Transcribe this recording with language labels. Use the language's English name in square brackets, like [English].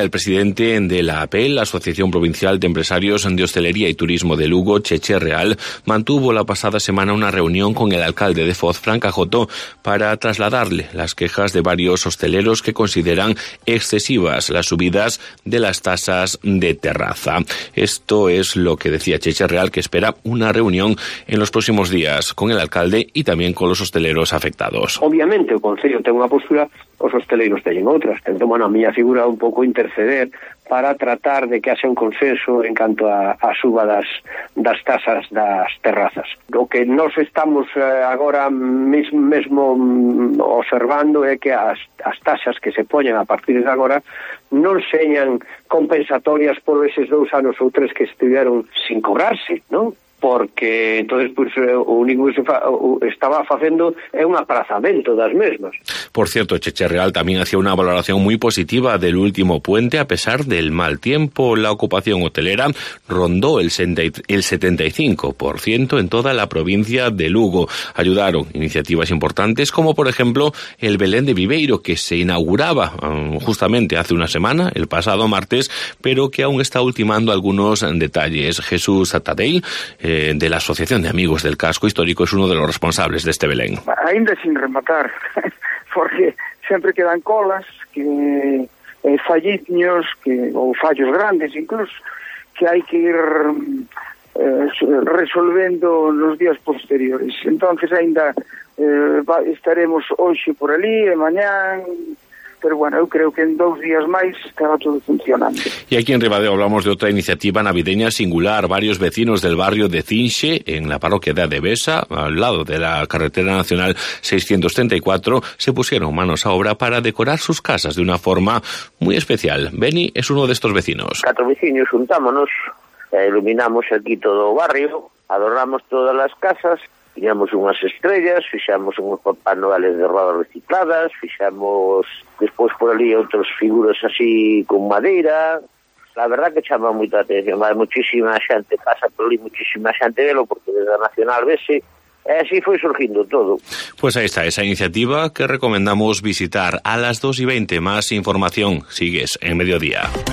[Spanish] El presidente de la APEL, la Asociación Provincial de Empresarios de Hostelería y Turismo de Lugo, Cheche Real, mantuvo la pasada semana una reunión con el alcalde de Foz, Fran Cajoto, para trasladarle las quejas de varios hosteleros que consideran excesivas las subidas de las tasas de terraza. Esto es lo que decía Cheche Real, que espera una reunión en los próximos días con el alcalde y también con los hosteleros afectados. Obviamente, el concello tiene una postura, [Galician] os hosteleiros teñen outras. Entón, bueno, a miña figura un pouco interceder para tratar de que haxe un consenso en canto a suba das tasas das terrazas. O que nós estamos agora mesmo observando é que as tasas que se poñen a partir de agora non señan compensatorias por eses dous anos ou tres que estiveron sin cobrarse, non? Porque entonces pues o único que se estaba facendo é un aprazamento das mesmas. [Spanish] Por cierto, Cheche Real también hacía una valoración muy positiva del último puente a pesar del mal tiempo. La ocupación hotelera rondó el 75% en toda la provincia de Lugo. Ayudaron iniciativas importantes como por ejemplo el Belén de Viveiro, que se inauguraba justamente hace una semana, el pasado martes, pero que aún está ultimando algunos detalles. Jesús Atadeil, de la Asociación de Amigos del Casco Histórico, es uno de los responsables de este Belén. [Galician] Ainda sin rematar, [Spanish] porque siempre quedan colas, [Galician] que falliños que, ou fallos grandes incluso, que hai que ir resolvendo nos días posteriores. Entonces aínda estaremos hoxe por ali e mañán, pero bueno, eu creo que en dous días máis estará todo funcionando. [Spanish] E aquí en Ribadeo hablamos de outra iniciativa navideña singular. Varios vecinos del barrio de Cinxe, en la parroquia de Adevesa, al lado de la carretera nacional 634, se pusieron manos a obra para decorar sus casas de una forma muy especial. Beni es uno de estos vecinos. [Galician] Cuatro vecinos juntámonos, iluminamos aquí todo o barrio, [Spanish] adornamos todas las casas, [Galician] fixamos unhas estrellas, fixamos unhos Papá Noeles de rodas recicladas, fixamos despois por ali outras figuras así con madeira. La verdad que chama moito a atención, vai muchísima xente, pasa por ali muchísima xente velo, porque desde a Nacional vese, e así foi surgindo todo. [Spanish] Pues aí está esa iniciativa que recomendamos visitar a las 2:20. Más información, sigues en Mediodía.